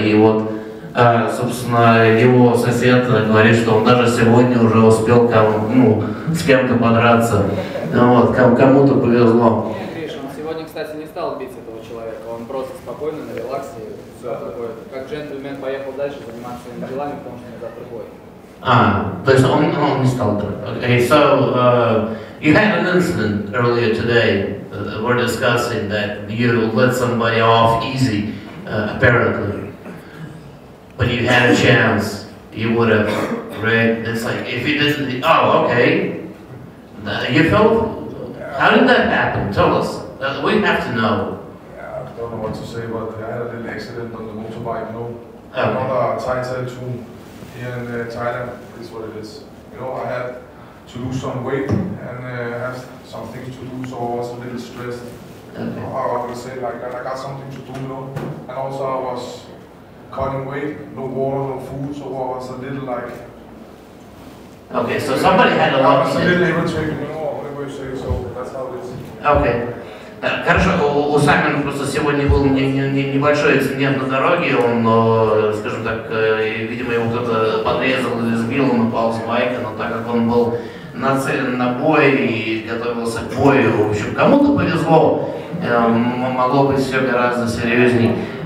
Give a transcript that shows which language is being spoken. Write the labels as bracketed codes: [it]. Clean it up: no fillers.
[ru] И вот, собственно, его сосед говорит, что он даже сегодня уже успел с кем-то подраться. Вот, кому-то повезло. Он сегодня, кстати, не стал бить этого человека. Он просто спокойно, на релаксе, все такое. Как джентльмен поехал дальше заниматься своими делами, потому что у него завтра бой. То есть он не стал так. [en] Okay, so you had an incident earlier today. We're discussing that you let somebody off easy, apparently. But you had a chance, you would have, right? It's like, if you didn't, you felt, how did that happen? Tell us, we have to know. Yeah, I don't know what to say, but I had a little accident on the motorbike, no? Okay. On a Titan 2. Here in Thailand, is what it is. You know, I had to lose some weight and have some things to do, so I was a little stressed. Okay. How I would say, like, and I got something to do, you know. And also, I was cutting weight, no water, no food, so I was a little like. Okay, so somebody had a lot. I was a little irritated, you know, whatever you say. So that's how it is. Okay. [ru] Хорошо, у Саймона просто сегодня был небольшой инцидент на дороге, он, скажем так, видимо, его кто-то подрезал или сбил, он упал с байка, но так как он был нацелен на бой и готовился к бою, в общем, кому-то повезло, могло быть все гораздо серьезней.